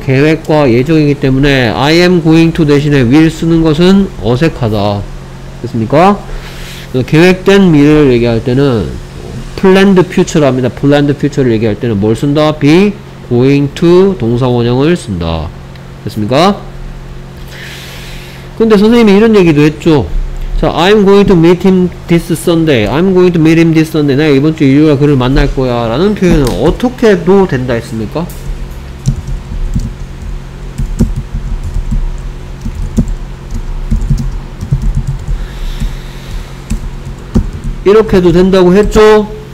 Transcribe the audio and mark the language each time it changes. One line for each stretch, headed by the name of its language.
Korean: 계획과 예정이기 때문에
English: I am going to
Korean: 대신에 will 쓰는 것은 어색하다. 됐습니까? 계획된 미래를 얘기할 때는 planned future랍니다. planned future를 얘기할 때는 뭘 쓴다? be going to 동사원형을 쓴다. 됐습니까? 근데 선생님이 이런 얘기도 했죠.
English: 자, I'm going to meet him this Sunday. I'm going to meet him this Sunday.
Korean: 내가 이번 주 일요일에 그를 만날 거야. 라는 표현은 어떻게 해도 된다 했습니까? 이렇게 해도 된다고 했죠?